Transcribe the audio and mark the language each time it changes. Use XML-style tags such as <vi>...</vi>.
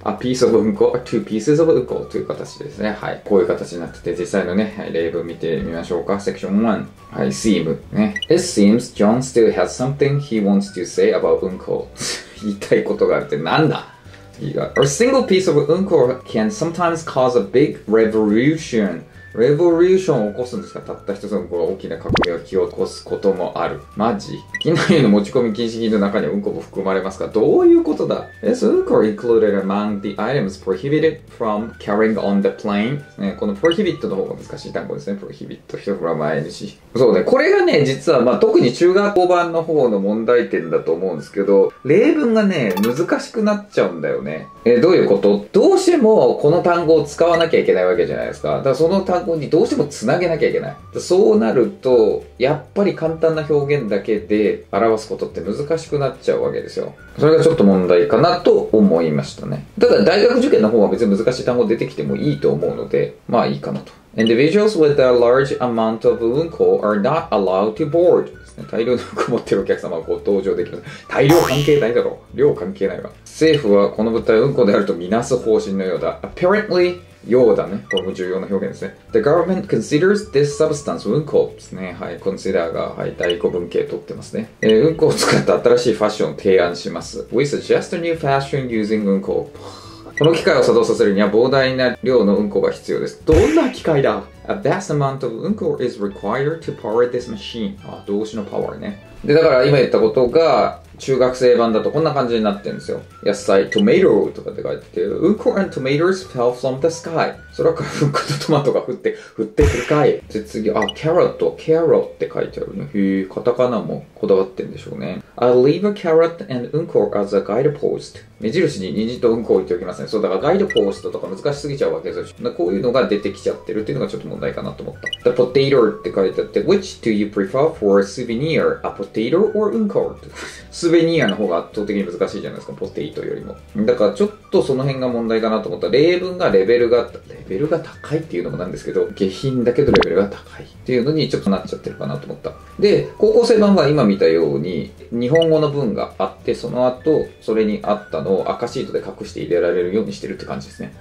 <en>a piece of</en> <ja>うんこ</ja> <en>two pieces of</en> <ja>うんこという形ですね。はい。こういう形になってて、実際のね、例文見てみましょうか。 section 1. はい、seem. ね。</ja> <en>it seems John still has something he wants to say about うんこ。</en> <ja>言いたいことがあるってなんだ? いいか。</ja> <en>a single piece of うんこ can sometimes cause a big revolution.</en> <ja>レボリューションを起こすんですか?たった一つのこう大きな革命を起こすこともある。マジ? 機内の持ち込み禁止品の中にうんこも含まれますか?どういうことだ ?</ja> <en>Is unko included among the items prohibited from carrying on the plane?、</en> <ja>ね、この prohibit の方が難しい単語ですね。 prohibit from ing。 そうね。これがね、実は、まあ、特に中学校版の方の問題点だと思うんですけど、例文がね、難しくなっちゃうんだよね。どういうこと? どうしてもこの単語を使わなきゃいけないわけじゃないですか。だからその単語にどうしても繋げなきゃいけない。そうなると、やっぱり簡単な表現だけで表すことって難しくなっちゃうわけですよ。それがちょっと問題かなと思いましたね。ただ大学受験の方は別に難しい単語出てきてもいいと思うので、まあいいかなと。</ja> <en>Individuals with a large amount of うんこ are not allowed to board.</en> <ja>大量のうんこ持ってるお客様はご登場できる。大量関係ないだろう。量関係ないわ。政府はこの物体うんこであるとみなす方針のようだ。Apparently, ようだね。これも重要な表現ですね。</ja> <en>The government considers this substance うんこですね。</en> <ja>はい。 consider が、はい。第5文型取ってますね。うんこを使った新しいファッションを提案します。</ja> <en>We suggest a new fashion using うんこ。</en> <ja>この機械を作動させるには膨大な量のうんこが必要です。どんな機械だ?</ja> <en>A vast amount of うんこ is required to power this machine.</en> <ja>あ、動詞のパワーね。で、だから今言ったことが、中学生版だとこんな感じになってるんですよ。野菜、トマトとかって書いてる。</ja> <en>うんこ and tomatoes fell from the sky.</en> <ja>空からうんことトマトが降ってくるかい。で、次、あ、キャロット、キャロって書いてあるね。へぇ、カタカナもこだわってんでしょうね。</ja> <en>I leave a carrot and うんこ as a guidepost.</en> <ja>目印に虹とうんこ置いておきますね。そう、だからガイドポーストとか難しすぎちゃうわけですよ。こういうのが出てきちゃってるっていうのがちょっと問題かなと思った。</ja> <en>The potato</en> <ja>って書いてあって、</ja> <en>which do you prefer for a souvenir? A potato or うんこ?</en> <ja>スベニアの方が圧倒的に難しいじゃないですか、ポテイトよりも。だからちょっとその辺が問題かなと思った。例文がレベルが高いっていうのもなんですけど、下品だけどレベルが高いっていうのにちょっとなっちゃってるかなと思った。で、高校生版は今見たように、日本語の文があって、その後、それに合ったのを赤シートで隠して入れられるようにしてるって感じですね。</ja>